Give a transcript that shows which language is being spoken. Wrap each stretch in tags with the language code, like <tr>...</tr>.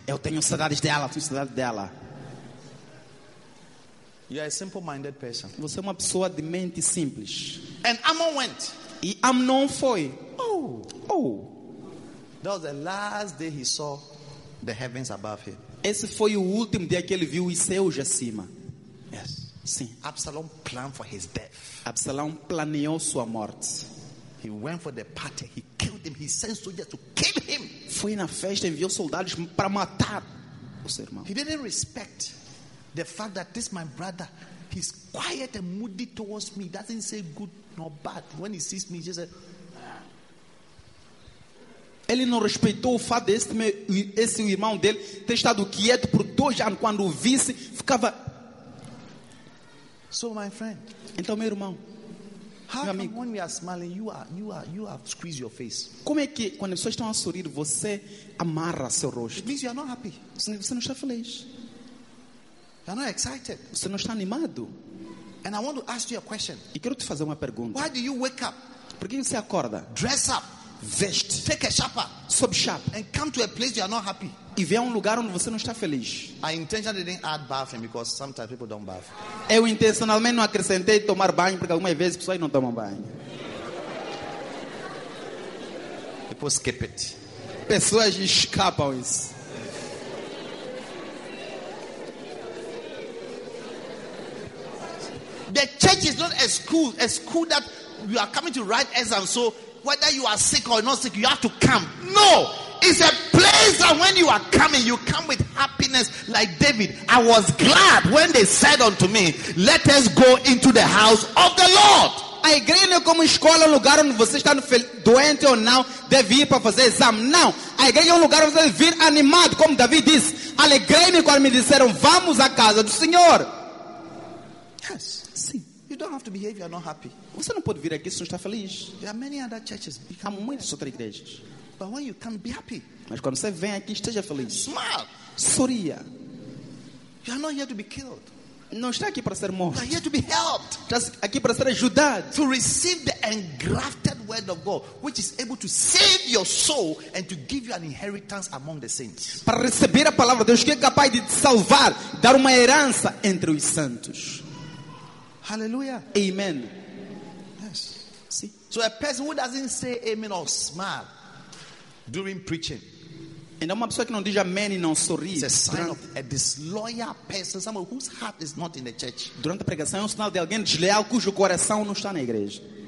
<pt>Eu tenho saudades dela. Tenho saudades dela.</pt> <en>You are a simple-minded person.</en> <pt>Você é uma pessoa de mente simples.</pt> <en>And Amnon went.</en> <pt>E Amnon foi. Oh. Oh.</pt> <en>That was the last day he saw the heavens above him.</en> <pt>Esse foi o último dia que ele viu os céus acima.</pt> <en>Yes.</en> <pt>Sim.</pt> <en>Absalom planned for his death.</en> <pt>Absalom planeou sua morte.</pt> <en>He went for the party. He killed him. He sent soldiers to kill him.</en> <pt>Foi na festa e enviou soldados para matar o seu irmão.</pt> <en>He didn't respect the fact that this my brother, he's quiet and moody towards me. Doesn't say good nor bad. When he sees me, he just says,</en> <pt>ele não respeitou o fato desse esse irmão dele ter estado quieto por 2 anos. Quando o visse, ficava.</pt> <en>So my friend.</en> <pt>Então meu irmão.</pt> <en>How come when we are smiling, you have squeezed your face?</en> <pt>Como é que quando as pessoas estão a sorrir, você amarra seu rosto?</pt> <en>It means you are not happy.</en> <pt>Você não está feliz.</pt> <en>You are not excited.</en> <pt>Você não está animado.</pt> <en>And I want to ask you a question.</en> <pt>E quero te fazer uma pergunta.</pt> <en>Why do you wake up?</en> <pt>Por que você acorda?</pt> <en>Dress up.</en> <pt>Vest.</pt> <en>Take a shower. Sob sharp. And come to a place you are not happy.</en> <pt>E vem a lugar onde você não está feliz.</pt> <en>I intentionally didn't add bathing because sometimes people don't bath.</en> <pt>Eu intencionalmente não acrescentei tomar banho porque algumas vezes pessoas não tomam banho.</pt> <en>People skip it.</en> <pt>Pessoas escapam isso.</pt> <en>The church is not a school. A school that you are coming to write exams. So whether you are sick or not sick, you have to come. No! It's a place that when you are coming, you come with happiness like David. I was glad when they said unto me, let us go into the house of the Lord.</en> <pt>A igreja não é como escola, um lugar onde você está doente ou não, deve ir para fazer exame. Não! A igreja é um lugar onde você deve vir animado, como David disse. Alegrei-me quando me disseram, vamos à casa do Senhor.</pt> <en>You don't have to be here if you are not happy.</en> <pt>Você não pode vir aqui se não está feliz.</pt> <en>There are many other churches.</en> <pt>Há muitas outras igrejas.</pt> <en>But when you come, be happy.</en> <pt>Mas quando você vem aqui, esteja feliz.</pt> <en>Smile.</en> <pt>Sorria.</pt> <en>You are not here to be killed.</en> <pt>Não está aqui para ser morto.</pt> <en>You are here to be helped. Just</en> <pt>aqui para ser ajudado.</pt> <en>To receive the engrafted word of God, which is able to save your soul and to give you an inheritance among the saints.</en> <pt>Para receber a palavra de Deus que é capaz de te salvar, dar uma herança entre os santos. Hallelujah. Amen.</pt> <en>Yes. See? So a person who doesn't say amen or smile during preaching. And</en> <pt>uma pessoa que não diz amém e não sorri.</pt> <en>It's a sign of a disloyal person, someone whose heart is not in the church.</en> <pt>Durante a pregação é um sinal de alguém desleal cujo coração não está na igreja.</pt>